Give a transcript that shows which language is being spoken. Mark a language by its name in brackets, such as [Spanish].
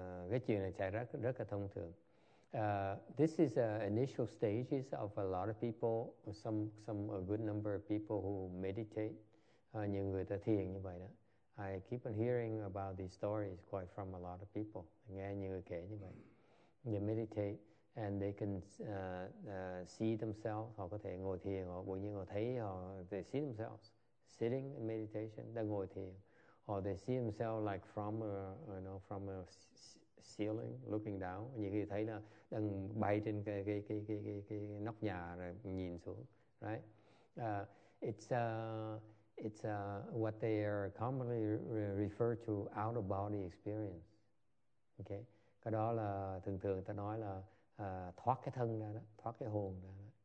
[Vietnamese] Cái chuyện này chạy rất là thông thường. [English] This is initial stages of a lot of people, some a good number of people who meditate. [Vietnamese] Nhiều người ta thiền như vậy đó. [English] I keep on hearing about these stories quite from a lot of people. [Vietnamese] Nghe nhiều người kể như vậy. [English] They meditate and they can see themselves. [Vietnamese] Họ có thể ngồi thiền, họ bỗng nhiên họ thấy họ [English] they see themselves. Sitting in meditation, they're [Vietnamese] ngồi thiền, [English] or they see themselves like from a, you know, from a ceiling looking down. [Vietnamese] Nhiều khi thấy là đang bay trên cái nóc nhà rồi nhìn xuống, right? [English] It's what they are commonly referred to out of body experience. [Vietnamese] Okay, cái đó là thường thường ta nói là thoát cái thân ra đó, thoát cái hồn ra đó.